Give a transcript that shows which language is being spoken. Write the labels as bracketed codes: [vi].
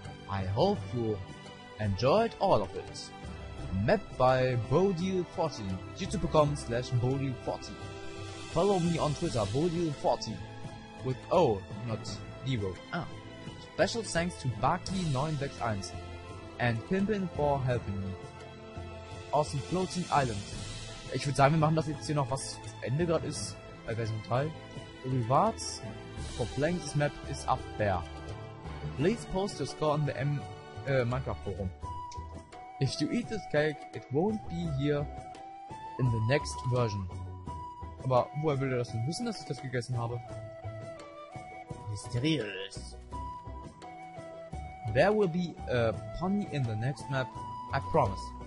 [en] I hope you enjoyed all of it. Map by Bodil40, youtube.com/Bodil40. Follow me on Twitter, Bodil40, with O, not Devo. Ah. Special thanks to Baki961 and Pimpin for helping me. Awesome Floating Island. [de] Ich würde sagen, wir machen das jetzt hier noch, was das Ende gerade ist, bei Version 3. [en] Rewards for playing this map is up there. Please post your score on the Minecraft Forum. If you eat this cake, it won't be here in the next version. [de] Aber woher will er das denn wissen, dass ich das gegessen habe? [en] Mysterious. There will be a pony in the next map, I promise.